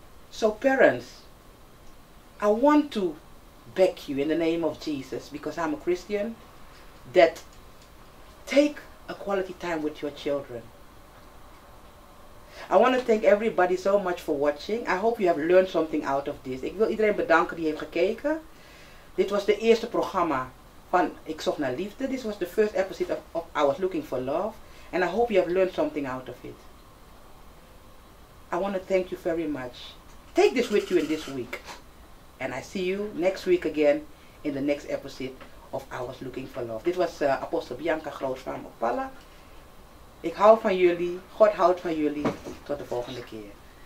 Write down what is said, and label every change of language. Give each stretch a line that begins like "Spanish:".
English: So parents, I want to beg you in the name of Jesus, because I'm a Christian, that take a quality time with your children. I want to thank everybody so much for watching. I hope you have learned something out of this.
Dutch: Ik wil iedereen bedanken die heeft gekeken. Dit was de eerste programma van Ik Zocht Naar Liefde.
English: This was the first episode of I Was Looking For Love. And I hope you have learned something out of it. I want to thank you very much. Take this with you in this week. And I see you next week again in the next episode of I Was Looking For Love.
Dutch: Dit was Apostel Bianca Grootsvaam op Palla. Ik hou van jullie. God houdt van jullie. Tot de volgende keer.